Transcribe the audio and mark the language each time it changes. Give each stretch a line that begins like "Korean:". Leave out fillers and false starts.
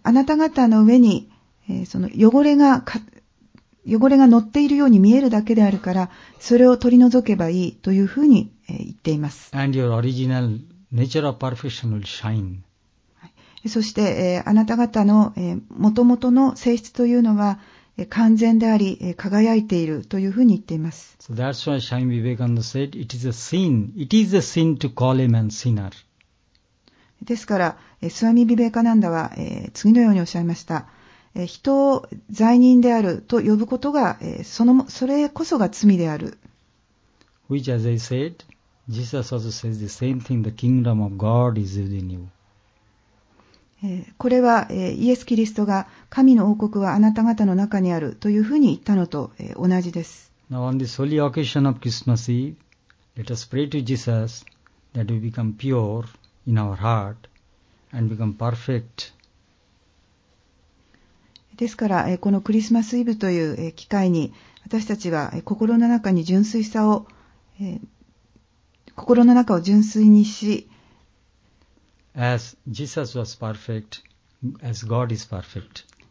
Japanese: あなた方の上に、その汚れが乗っているように見えるだけであるから、それを取り除けばいいというふうに、言っています。
English: And your original nature of perfection will shine.
Japanese: そして、あなた方の、元々の性質というのは、完全であり、輝いているというふうに言っています。
English: So that's why Swami Vivekananda said, it is a sin. It is a sin to call a man sinner.
Japanese: ですから、Swami Vivekananda は、次のようにおっしゃいました。人を罪人であると呼ぶことが、それこそが罪である。
English: Which, as I said, Jesus also says the same thing, the kingdom of God is within you.
Japanese: これは、イエス・キリストが神の王国はあなた方の中にあるというふうに言ったのと、同じです。
English: Now on this holy occasion of Christmas Eve, let us pray to Jesus that we become pure in our heart and become perfect.
Japanese: ですから、このクリスマスイブという機会に、私たちは心の中に純粋さを、心の中を純粋にし、
English: As Jesus was perfect, as God is perfect.